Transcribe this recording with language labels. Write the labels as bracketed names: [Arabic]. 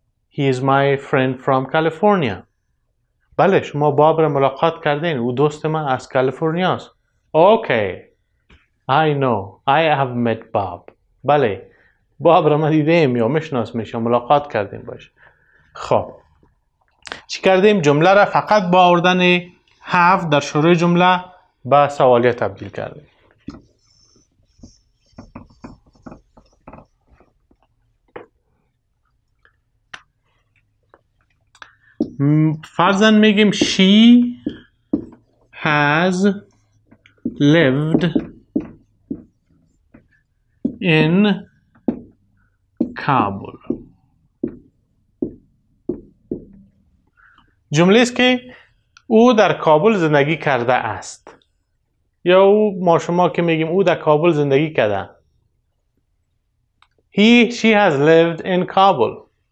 [English] He is my friend from California. [Persian] بله، شما باب را ملاقات کردین، او دوست من از کالیفرنیا است. [English] Okay, I know, I have met Bob. [Persian] بله، باب را ما دیدیم یا میشناسمش، ملاقات کردیم باش. خب، چی کردیم؟ جمله را فقط با آوردن have در شروع جمله به سوالیه تبدیل کردیم. فرضاً میگیم [English] she has lived in Kabul. [Persian] جمله است که او در کابل زندگی کرده است، یا او ما شما که میگیم او در کابل زندگی کرده. [English] She has lived in Kabul.